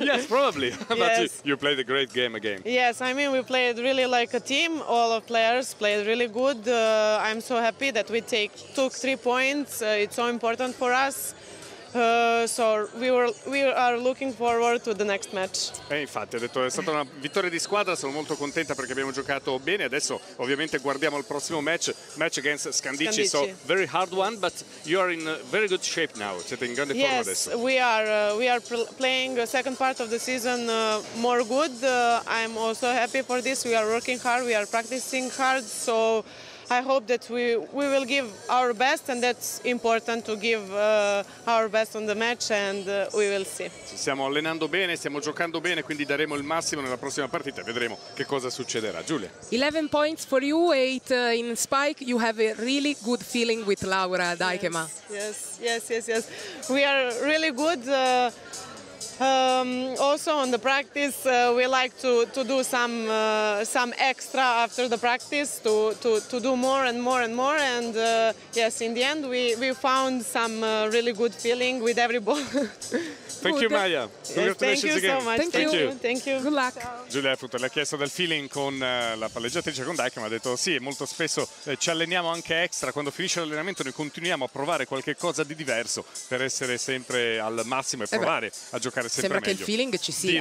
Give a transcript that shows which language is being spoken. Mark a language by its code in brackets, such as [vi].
[en] Yes, probably. Yes. But you played a great game again. Yes, I mean, we played really like a team. All of players played really good. I'm so happy that we took 3 points. It's so important for us. So we are looking forward to the next match. [it] Infatti, ho detto, è stata una vittoria di squadra, sono molto contenta perché abbiamo giocato bene. Adesso ovviamente guardiamo al prossimo match [en] against Scandicci. So very hard one, but you are in very good shape now. [it] Siete in grande forma adesso. [en] Yes, we are playing the second part of the season more good. I'm also happy for this. We are working hard, we are practicing hard, so I hope that we will give our best, and that's important to give our best on the match, and we will see. [it] Ci stiamo allenando bene, stiamo giocando bene, quindi daremo il massimo nella prossima partita, vedremo che cosa succederà. Giulia. [en] 11 points for you, 8 in spike. You have a really good feeling with Laura Dijkema. Yes. We are really good. Also on the practice, we like to do some extra after the practice, to do more and more and more, and yes, in the end we found some really good feeling with every ball. Thank you, Maja. Congratulations again. Thank you. Good luck. [it] Giulia, appunto, le ha chiesto del feeling con la palleggiatrice, con Dijkema, ha detto sì, molto spesso ci alleniamo anche extra. Quando finisce l'allenamento noi continuiamo a provare qualche cosa di diverso per essere sempre al massimo e provare a giocare sempre meglio. Sembra che il feeling ci sia.